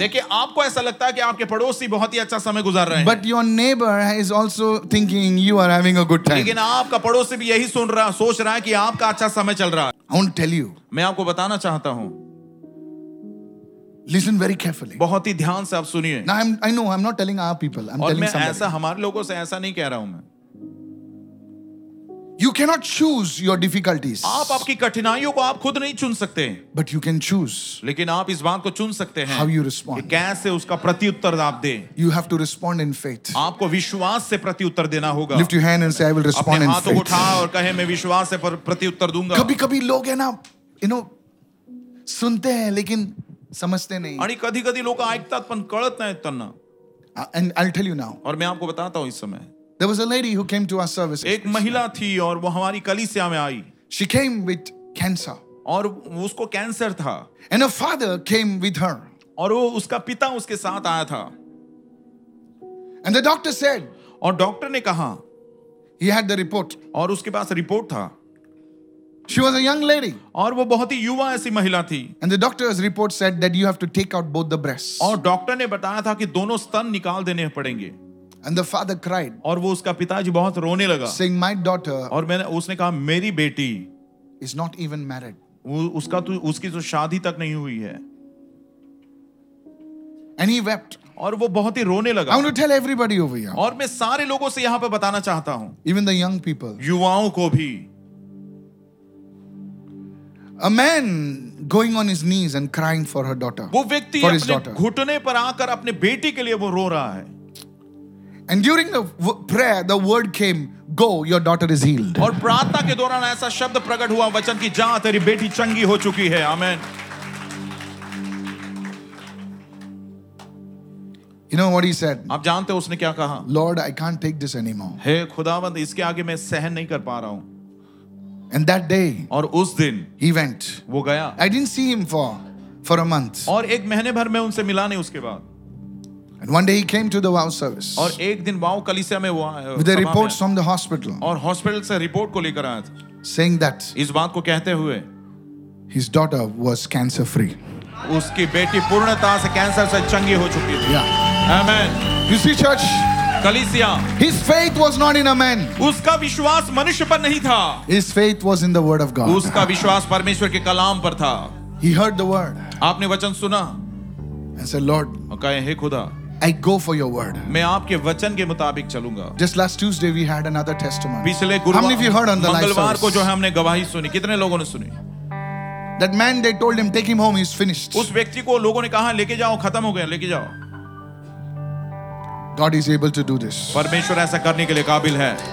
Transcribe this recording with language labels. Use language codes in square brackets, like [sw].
[hi] देखिए आपको ऐसा लगता है कि आपके पड़ोसी बहुत ही अच्छा समय गुजार रहे हैं. [en] But your neighbor is also thinking you are having a good time. [hi] लेकिन आपका पड़ोसी भी यही सुन रहा, सोच रहा है कि आपका अच्छा समय चल रहा है. [en] I want to tell you. [hi] मैं आपको बताना चाहता हूँ. [en] Listen very carefully. [hi] बहुत ही ध्यान से आप सुनिए. [en] Now I know I'm not telling our people. I'm telling somebody. [hi] ऐसा हमारे लोगों से ऐसा नहीं कह रहा हूँ मैं. [en] You cannot choose your difficulties. [hi] आप आपकी कठिनाइयों को आप खुद नहीं चुन सकते. [en] But you can choose. [hi] लेकिन आप इस बात को चुन सकते हैं. [en] How you respond? [hi] कैसे उसका प्रतिउत्तर आप दें? [en] You have to respond in faith. [hi] आपको विश्वास से प्रतिउत्तर देना होगा. [en] Lift your hand and say, I will respond in faith. [hi] अपने हाथों को उठा और कहे मैं विश्वास से प्रतिउत्तर दूंगा. कभी-कभी लोग है ना, you know, सुनते हैं लेकिन समझते नहीं. [mr] आणि कधी-कधी लोक ऐकतात पण कळत नाही त्यांना. [en] And I'll tell you now. [hi] और मैं आपको बताता हूँ इस समय. [en] There was a lady who came to our service. [hi] एक महिला थी और वो हमारी कलीसिया में आई. [en] She came with cancer. [hi] और उसको कैंसर था. [en] And her father came with her. [hi] और वो उसका पिता उसके साथ आया था. [en] And the doctor said. [hi] और डॉक्टर ने कहा. [en] He had the report. [hi] और उसके पास रिपोर्ट था. [en] She was a young lady. [hi] और वो बहुत ही युवा ऐसी महिला थी. [en] And the doctor's report said that you have to take out both the breasts. [hi] और डॉक्टर ने बताया था कि दोनों स्तन निकाल देने पड़ेंगे. [en] And the father cried. [hi] और वो उसका पिताजी बहुत रोने लगा. [en] Saying my daughter. [hi] और मैंने उसने कहा मेरी बेटी. [en] Is not even married. [hi] वो उसका तो उसकी तो शादी तक नहीं हुई है. [en] And he wept. [hi] और वो बहुत ही रोने लगा. [en] I want to tell everybody over here. [hi] और मैं सारे लोगों से यहाँ पे बताना चाहता हूँ. [en] Even the young people. [hi] युवाओं को भी. [en] A man going on his knees and crying for her daughter. [hi] वो व्यक्ति अपने घुटने पर आकर अपने बेटी के लिए वो रो रहा है. [en] And during the prayer, the word came, "Go, your daughter is healed." [hi] और प्रार्थना के दौरान ऐसा शब्द प्रकट हुआ वचन की जा तेरी बेटी चंगी हो चुकी है. [en] Amen. You know what he said? [hi] आप जानते हो उसने क्या कहा? [en] Lord, I can't take this anymore. [hi] हे खुदावंद इसके आगे मैं सहन नहीं कर पा रहा हूँ. [en] And that day, [hi] और उस दिन, [en] he went. [hi] वो गया. [en] I didn't see him for a month. [hi] और एक महीने भर में उनसे मिला नहीं उसके बाद. [en] And one day he came to the wow service. [hi] और एक दिन वाव कलीसिया में वो आया. [en] With the reports from the hospital. [hi] और हॉस्पिटल से रिपोर्ट को लेकर आया था. [en] Saying that. [hi] इस बात को कहते हुए. [en] His daughter was cancer free. [hi] उसकी बेटी पूर्णतः से कैंसर से चंगी हो चुकी थी. [en] Yeah. Amen. You see, church. [hi] कलीसिया. [en] His faith was not in a man. [hi] उसका विश्वास मनुष्य पर नहीं था. [en] His faith was in the word of God. [hi] उसका विश्वास परमेश्वर के कलाम पर था. [en] He heard the word. [hi] आपने वचन सुना. [en] And said, Lord. [hi] और कहे हे खुदा. [en] I go for your word. [hi] मैं आपके वचन के मुताबिक चलूंगा. [en] Just last Tuesday we had another testimony. [hi] पिछले मंगलवार को जो है हमने गवाही सुनी. कितने लोगों ने सुनी? [en] That man, they told him, take him home. He's finished. [hi] उस व्यक्ति को लोगों ने कहा लेके जाओ खत्म हो गया लेके जाओ. [en] God is able to do this. [hi] परमेश्वर ऐसा करने के लिए काबिल है.